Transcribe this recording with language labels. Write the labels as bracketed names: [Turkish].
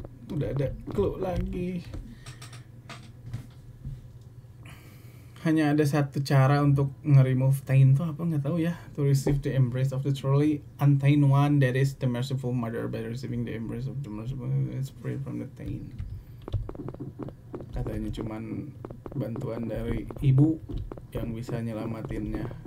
[Indonesian] Udah ada clue lagi. Hanya ada satu cara untuk nge-remove taint tuh apa, nggak tahu ya. [English] To receive the embrace of the truly untaint one, that is the merciful mother, by receiving the embrace of the merciful one, it's free from the taint. [Indonesian] Katanya cuman bantuan dari ibu yang bisa nyelamatinnya.